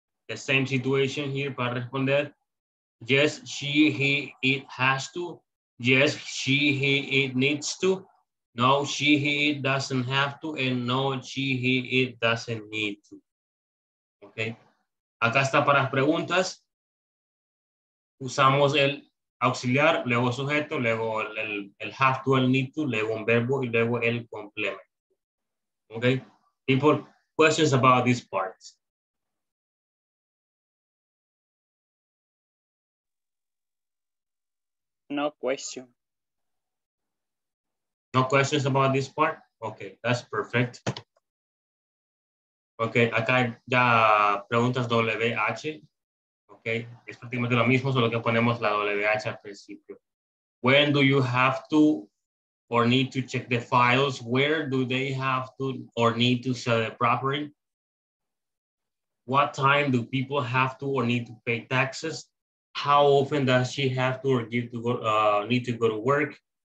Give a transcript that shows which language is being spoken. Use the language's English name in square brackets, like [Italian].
[English] The same situation here, [Spanish] para responder. [English] Yes, she, he, it has to. Yes, she, he, it needs to. No, she, he, it doesn't have to. And no, she, he, it doesn't need to. [Spanish] Okay. Acá está para las preguntas. Usamos el auxiliar, luego sujeto, luego el have to, el need to, luego un verbo y luego el complemento. [English] Okay. People, questions about these parts. No question. No questions about this part? Okay, that's perfect. Okay, [Spanish] acá ya preguntas WH. Okay, es prácticamente lo mismo, solo que ponemos la WH al principio. [English] When do you have to or need to check the files? Where do they have to or need to sell the property? What time do people have to or need to pay taxes? How often does she have to or need to go to work?